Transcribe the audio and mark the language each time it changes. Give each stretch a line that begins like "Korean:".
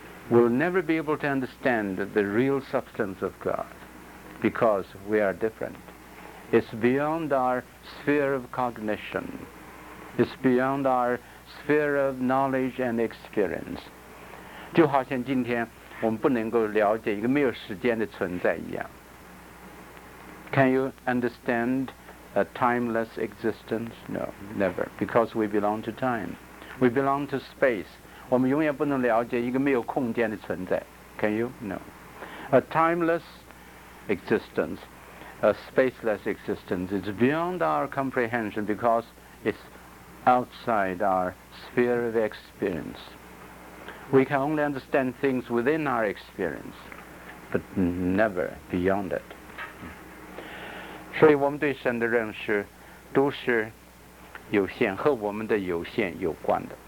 English: We'll never be able to understand the real substance of God because we are different. It's beyond our sphere of cognition. It's beyond our sphere of knowledge and experience.
Chinese: 就好像今天我们不能够了解一个没有时间的存在一样。
English: Can you understand a timeless existence? No, never. Because we belong to time. We belong to space.
Chinese: 我们永远不能了解一个没有空间的存在。
English: Can you? No. A timeless existence, a spaceless existence is beyond our comprehension because it's outside our sphere of experience. We can only understand things within our experience, but never beyond it.
Chinese: 所以我们对神的认识都是有限，和我们的有限有关的。